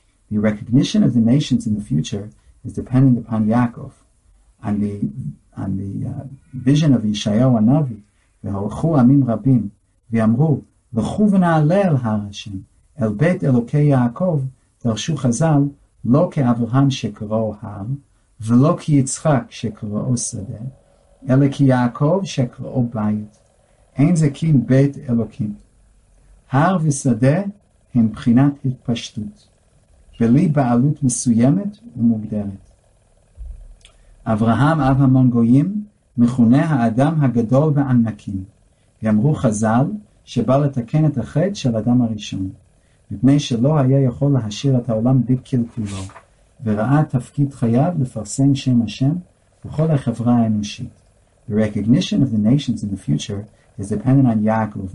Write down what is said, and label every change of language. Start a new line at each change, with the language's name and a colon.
English: The recognition of the nations in the future is dependent upon Yaakov, on the vision of Yishayahu Anavi,
Hebrew: V'holchu Amim Rabim, V'amru, V'chu V'na'ale El Har Hashem, El Beit Elokei Yaakov, Darshu Chazal, Lo Ke'Avraham Shekro'o Har, V'lo Ki'Yitzchak Shekro'o Sadeh, Ele Ki'Yaakov Shekro'o Bayit, Ein Zekim Beit Elokim. Har V'Sadeh Hem Prinat Hitpashtut, V'li Ba'alut Mesuyemet U'Mugderet. Avraham Av Hamon Goyim, מכונה האדם הגדול והענקים. ואמרו חז"ל שבא לתקן את החטא של אדם הראשון, מפני שלא היה יכול להשאיר את העולם בקלקולו, וראה תפקיד חייו לפרסם שם השם בכל החברה האנושית.
English: The recognition of the nations in the future is dependent on Yaakov.